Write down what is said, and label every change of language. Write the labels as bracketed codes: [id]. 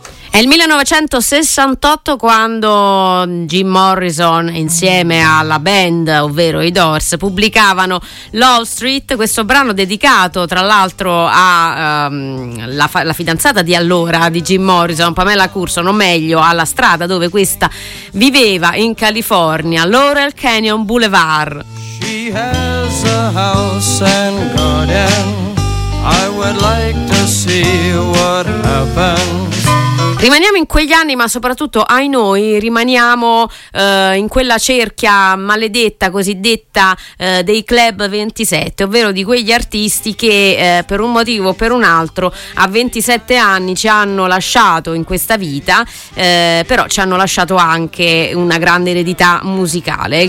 [it] È il 1968 quando Jim Morrison insieme alla band, ovvero i Doors, pubblicavano Love Street, questo brano dedicato tra l'altro a la fidanzata di allora di Jim Morrison, Pamela Curson, o meglio alla strada dove questa viveva in California, Laurel Canyon Boulevard. [en] She has a house and garden. I would like to see what happens. [it] Rimaniamo in quegli anni, ma soprattutto ai noi, rimaniamo in quella cerchia maledetta, cosiddetta, dei Club 27, ovvero di quegli artisti che per un motivo o per un altro a 27 anni ci hanno lasciato in questa vita, però ci hanno lasciato anche una grande eredità musicale.